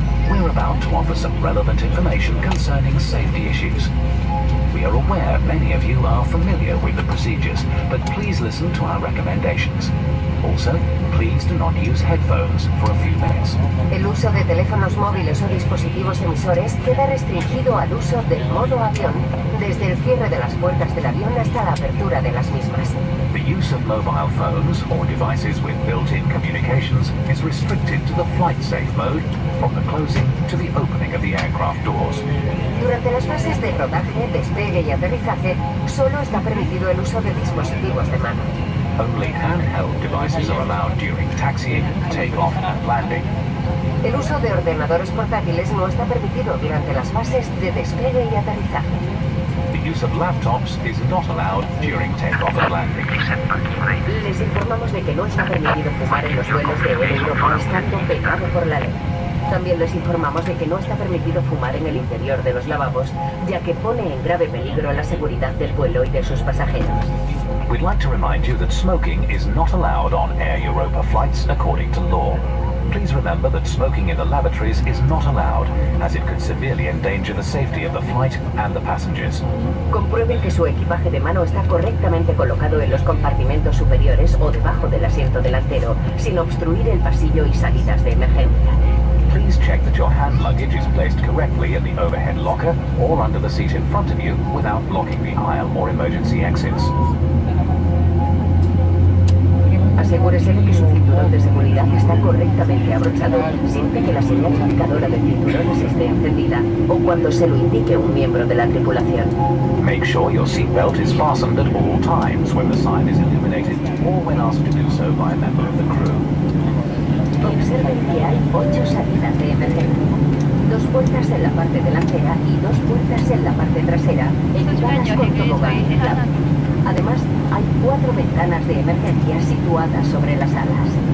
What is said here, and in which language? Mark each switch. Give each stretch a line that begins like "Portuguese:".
English: We're about to offer some relevant information concerning safety issues. We are aware many of you are familiar with the procedures, but please listen to our recommendations. Also, please do not use headphones for a few minutes.
Spanish: El uso de teléfonos móviles o dispositivos emisores queda restringido al uso del modo avión desde el cierre de las puertas del avión hasta la apertura de las mismas.
English: The use of mobile phones or devices with built-in communications is restricted to the flight safe mode from the closing to the opening of the aircraft doors.
Spanish: Durante las fases de rodaje, despegue y aterrizaje, solo está permitido el uso de dispositivos de mano.
English: Only handheld devices are allowed during taxiing, takeoff and landing.
Spanish: El uso de ordenadores portátiles no está permitido durante las fases de despegue y aterrizaje.
English: The use of laptops is not allowed during takeoff and landing.
Spanish: Les informamos de que no está permitido fumar en los vuelos de Air Europa, estando vetado por la ley. También les informamos de que no está permitido fumar en el interior de los lavabos, ya que pone en grave peligro la seguridad del vuelo y de sus pasajeros.
English: We'd like to remind you that smoking is not allowed on Air Europa flights according to law. Please remember that smoking in the lavatories is not allowed, as it could severely endanger the safety of the flight and the passengers.
Spanish: Comprueben que su equipaje de mano está correctamente colocado en los compartimentos superiores o debajo del asiento delantero, sin obstruir el pasillo y salidas de emergencia.
English: Please check that your hand luggage is placed correctly in the overhead locker or under the seat in front of you without blocking the aisle or emergency exits.
Spanish: Asegúrese de que su cinturón de seguridad está correctamente abrochado siempre que la señal indicadora de cinturones esté encendida o cuando se lo indique un miembro de la tripulación.
English: Make sure your seatbelt is fastened at all times when the sign is illuminated or when asked to do so by a member of the crew.
Spanish: Observen que hay 8 salidas de emergencia. 2 puertas en la parte delantera y 2 puertas en la parte trasera, equipadas con tobogán inflable. Además, hay 4 ventanas de emergencia situadas sobre las alas.